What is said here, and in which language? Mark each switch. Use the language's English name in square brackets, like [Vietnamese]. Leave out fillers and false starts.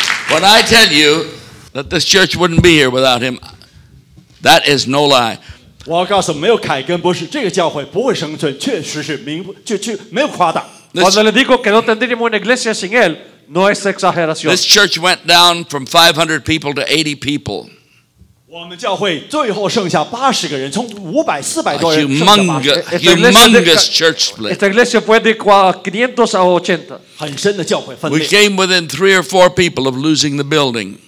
[English] When I tell you that this church wouldn't be here without him, that is no lie. [Spanish] Cuando le digo que no tendríamos una iglesia sin él, No es exageración. [English] This church went down from 500 people to 80 people. A humongous church split. [Spanish] Esta iglesia fue de 500 a 80. [English] We came within 3 or 4 people of losing the building.